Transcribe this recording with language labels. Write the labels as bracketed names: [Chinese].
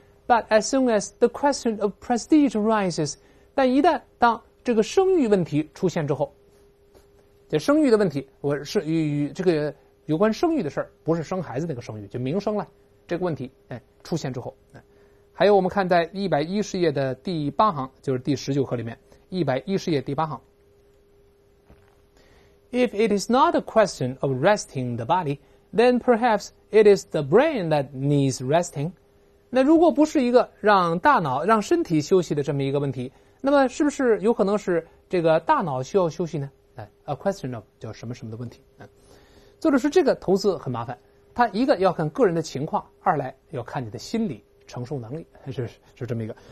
[English] But as soon as the question of prestige arises, [Chinese] 但一旦当这个声誉问题出现之后，这声誉的问题，我是与这个有关声誉的事儿，不是生孩子那个声誉，就名声了。这个问题，哎，出现之后，哎，还有我们看在110页的第八行，就是第19课里面，110页第八行。 [English] If it is not a question of resting the body, then perhaps it is the brain that needs resting. [Chinese] 那如果不是一个让大脑、让身体休息的这么一个问题，那么是不是有可能是这个大脑需要休息呢？哎 ， [English] a question of [Chinese] 叫什么什么的问题。嗯，作者说这个投资很麻烦，它一个要看个人的情况，二来要看你的心理承受能力，是这么一个。